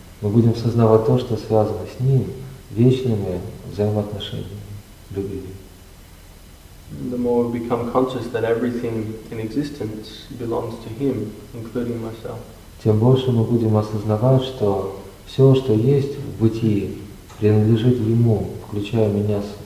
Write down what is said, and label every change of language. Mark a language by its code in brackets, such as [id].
[ru] Мы будем сознавать то, что связано с ним, вечными взаимоотношениями любви. [en] The more we become conscious that everything in existence belongs to him, including myself. [ru] Тем больше мы будем осознавать, что все, что есть в бытии, принадлежит ему, включая меня.